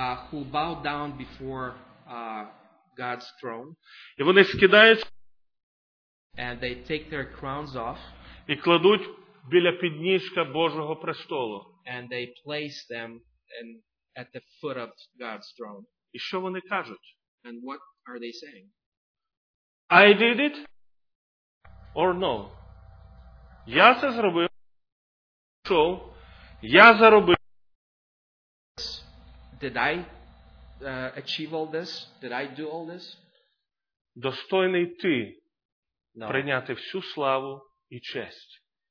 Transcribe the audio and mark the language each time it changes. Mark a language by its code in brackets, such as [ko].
[en] who bow down before God's throne. [uk] І вони скидають, [en] and they take their crowns off, [uk] і кладуть біля підніжка Божого престолу, [en] and they place them in at the foot of God's throne. [uk] І що вони кажуть? [en] And what are they saying? I did it or no? [uk] Я це зробив, пішов, я заробив. [en] Did I achieve all this? Did I do all this? [uk] Достойний ти прийняти всю славу і честь.